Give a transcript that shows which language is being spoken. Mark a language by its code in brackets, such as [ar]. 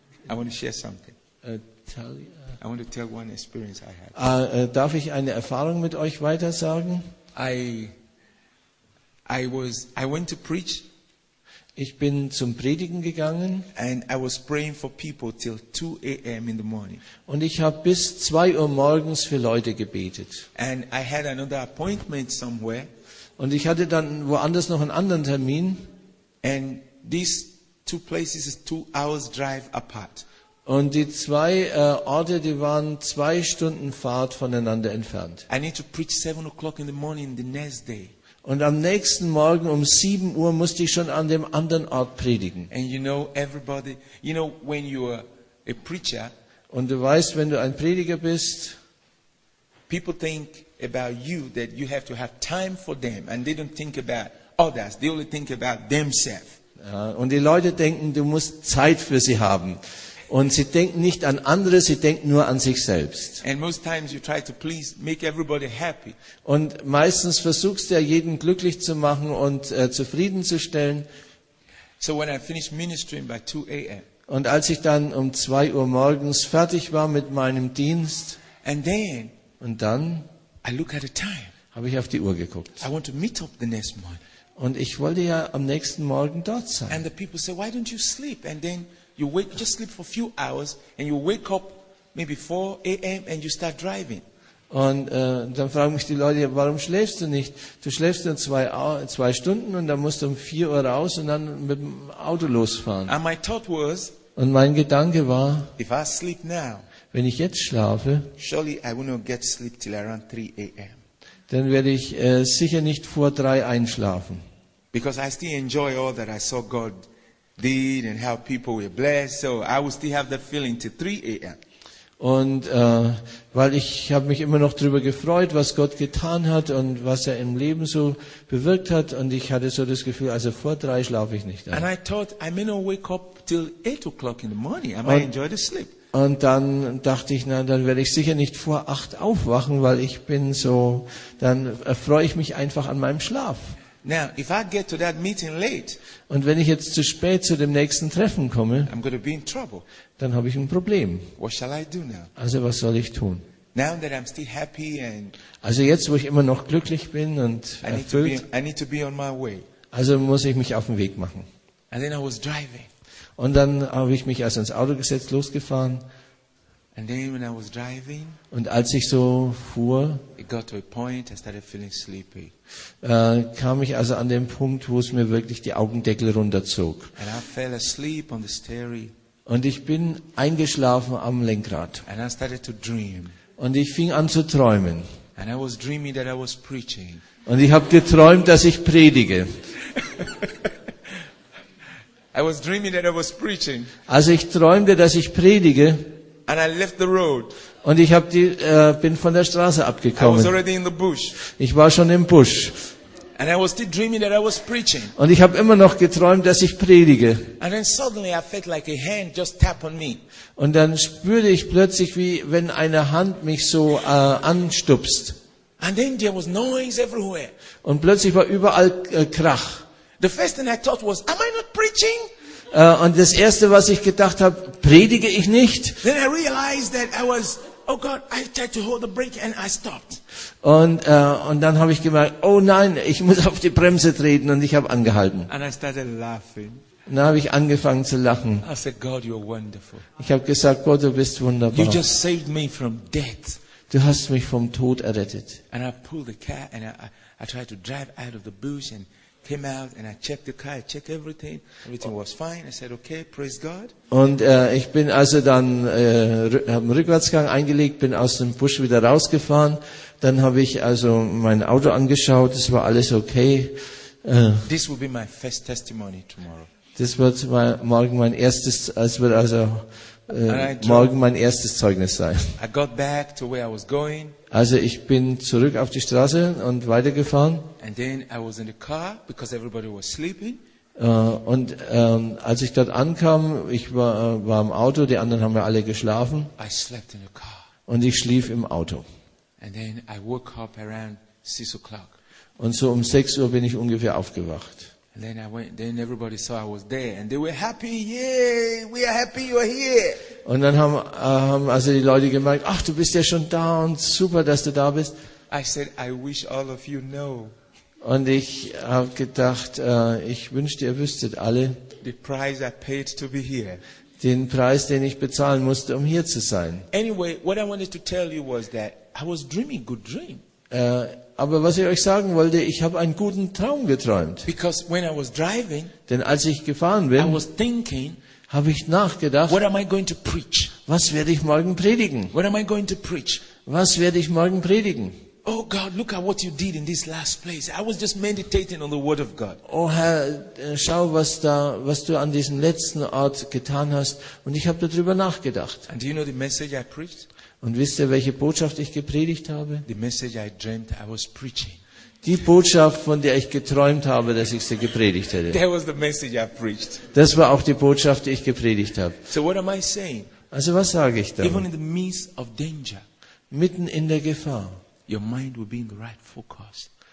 [en] I want to share something. I want to tell one experience I had. [de] Darf ich eine Erfahrung mit euch weitersagen? [en] I went to preach. [de] Ich bin zum Predigen gegangen. [en] And I was praying for people till 2 a.m. in the morning. [de] Und ich habe bis 2 Uhr morgens für Leute gebetet. [en] And I had another appointment somewhere. [de] Und ich hatte dann woanders noch einen anderen Termin. [en] And these two places is 2 hours drive apart. [de] Und die zwei Orte, die waren 2 Stunden Fahrt voneinander entfernt. [en] I need to preach 7 o'clock in the morning the next day. [de] Und am nächsten Morgen um 7 Uhr musste ich schon an dem anderen Ort predigen. [en] And you know everybody, you know when you are a preacher. [de] Und du weißt, wenn du ein Prediger bist, [en] people think about you that you have to have time for them, and they don't think about others. They only think about themselves. [de] Ja, und die Leute denken, du musst Zeit für sie haben. Und sie denken nicht an andere, sie denken nur an sich selbst. [en] And most times you try to please, make everybody happy. [de] Und meistens versuchst du ja, jeden glücklich zu machen und zufriedenzustellen. [en] So when I finished ministering by 2 a.m. [de] Und als ich dann um 2 Uhr morgens fertig war mit meinem Dienst, [en] and then, [de] und dann [en] I look at the time. [de] Habe ich auf die Uhr geguckt. [en] I want to meet up the next morning. [de] Und ich wollte ja am nächsten Morgen dort sein. [en] And the people say, why don't you sleep? And then you wake, just sleep for a few hours, and you wake up maybe 4 a.m. and you start driving. [de] Und dann fragen mich die Leute, warum schläfst du nicht? Du schläfst nur 2 Stunden und dann musst du um 4 Uhr raus und dann mit dem Auto losfahren. [en] And my thought was, [de] und mein Gedanke war, [en] if I sleep now, [de] wenn ich jetzt schlafe, [en] surely I will not get sleep till around 3 a.m. [de] Dann werde ich sicher nicht vor 3 einschlafen. [en] Because I still enjoy all that I saw God did and how people were blessed, so I will still have that feeling till 3 a.m. [de] Und weil ich habe mich immer noch darüber gefreut, was Gott getan hat und was er im Leben so bewirkt hat, und ich hatte so das Gefühl, also vor 3 schlafe ich nicht. [en] And I thought I may not wake up till 8 o'clock in the morning. I might enjoy the sleep. [de] Und dann dachte ich, na, dann werde ich sicher nicht vor 8 aufwachen, weil ich bin so, dann erfreue ich mich einfach an meinem Schlaf. [en] Now, if I get to that meeting late, [de] und wenn ich jetzt zu spät zu dem nächsten Treffen komme, [en] I'm going to be in trouble. [de] Dann habe ich ein Problem. [en] What shall I do now? [de] Also was soll ich tun? [en] Now that I'm still happy and, [de] also jetzt, wo ich immer noch glücklich bin und erfüllt, [en] I need to be on my way. [de] Also muss ich mich auf den Weg machen. [en] And then I was driving. [de] Und dann habe ich mich also ins Auto gesetzt, losgefahren. [en] And then when I was driving, [de] und als ich so fuhr, [en] it got to a point, I started feeling sleepy. [de] Kam ich also an den Punkt, wo es mir wirklich die Augendeckel runterzog. [en] And I fell asleep on the steering. [de] Und ich bin eingeschlafen am Lenkrad. [en] And I started to dream. [de] Und ich fing an zu träumen. [en] And I was dreaming that I was preaching. [de] Und ich habe geträumt, dass ich predige. [en] I was dreaming that I was preaching. [de] Also ich träumte, dass ich predige. [en] And I left the road. [de] Und ich bin von der Straße abgekommen. [en] I was already in the bush. [de] Ich war schon im Busch. [en] And I was still dreaming that I was preaching. [de] Und ich habe immer noch geträumt, dass ich predige. [en] And then suddenly I felt like a hand just tap on me. [de] Und dann spürte ich plötzlich, wie wenn eine Hand mich so anstupst. [en] And then there was noise everywhere. [de] Und plötzlich war überall Krach. [en] The first thing I thought was, am I not preaching? [de] Und das erste, was ich gedacht habe, predige ich nicht? [en] Then I realized that I was, oh God, I tried to hold the brake and I stopped. [de] Und dann habe ich gemerkt, oh nein, ich muss auf die Bremse treten, und ich habe angehalten. [en] And I started laughing. [de] Dann habe ich angefangen zu lachen. [en] I said, God, you are wonderful. [de] Ich habe gesagt, Gott, du bist wunderbar. [en] You just saved me from death. [de] Du hast mich vom Tod errettet. [en] And I pulled the car and I tried to drive out of the bush and came out and I checked the car, I checked everything. Everything was fine. I said, okay, praise God. [de] Und ich bin also dann habe einen Rückwärtsgang eingelegt, bin aus dem Busch wieder rausgefahren. Dann habe ich also mein Auto angeschaut. Es war alles okay. [en] This will be my first testimony tomorrow. [de] Das wird morgen mein erstes, es wird also morgen mein erstes Zeugnis sein. [en] I got back to where I was going. [de] Also ich bin zurück auf die Straße und weitergefahren. [en] And then I was in the car because everybody was sleeping. [de] Als ich dort ankam, ich war im Auto, die anderen haben ja alle geschlafen. [en] I slept in the car. [de] Und ich schlief im Auto. [en] And then I woke up around 6 o'clock. [de] Und so um 6 Uhr bin ich ungefähr aufgewacht. [en] Then I went. Then everybody saw I was there, and they were happy. Yay! We are happy you are here. [de] Und dann haben also die Leute gemerkt, ach, du bist ja schon da und super, dass du da bist. [en] I said, I wish all of you know. [de] Und ich habe gedacht, ich wünschte, ihr wüsstet alle. [en] The price I paid to be here. [de] Den Preis, den ich bezahlen musste, um hier zu sein. [en] Anyway, what I wanted to tell you was that I was dreaming good dream. [de] Aber was ich euch sagen wollte, ich habe einen guten Traum geträumt. [en] Because when I was driving, [de] denn als ich gefahren bin, [en] I was thinking, [de] habe ich nachgedacht, [en] what am I going to preach? [de] Was werde ich morgen predigen? [en] What am I going to preach? [de] Was werde ich morgen predigen? [en] Oh God, look at what you did in this last place. I was just meditating on the word of God. [de] Oh Herr, schau, was du an diesem letzten Ort getan hast, und ich habe darüber nachgedacht. [en] And do you know the message I preached? [de] Und wisst ihr, welche Botschaft ich gepredigt habe? [en] The message I dreamt I was preaching. [de] Die Botschaft, von der ich geträumt habe, dass ich sie gepredigt hätte. [en] That was the message I preached. [de] Das war auch die Botschaft, die ich gepredigt habe. [en] So what am I saying? [de] Also was sage ich da? [en] Even in the midst of danger, [de] mitten in der Gefahr, [en] your mind will be in the right focus.